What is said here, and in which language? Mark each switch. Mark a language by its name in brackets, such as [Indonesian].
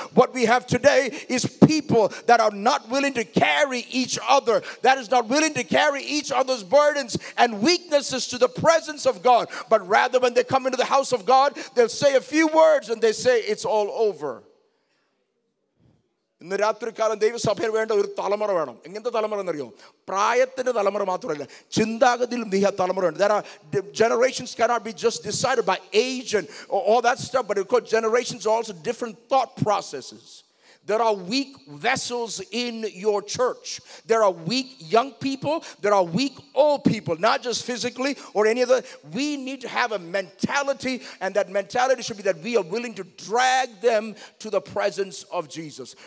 [English] What we have today is people that are not willing to carry each other, that is not willing to carry each other's burdens and weaknesses to the presence of God. But rather, when they come into the house of God, they'll say a few words and they say, it's all over. [Malayalam] ഇന്ന് രാത്രി കാലം ദൈവസഭയിൽ വേണ്ട ഒരു തലമുറ വേണം. എങ്ങനത്തെ തലമുറ എന്നറിയോ? പ്രായത്തിൻ്റെ തലമുറ മാത്രമല്ല, ചിന്താഗതിയിൽ നീഹ തലമുറ ഉണ്ട്. [English] That generations cannot be just decide by age and all that stuff, but because generations also different thought processes. There are weak vessels in your church. There are weak young people. There are weak old people, not just physically or any other. We need to have a mentality, and that mentality should be that we are willing to drag them to the presence of Jesus.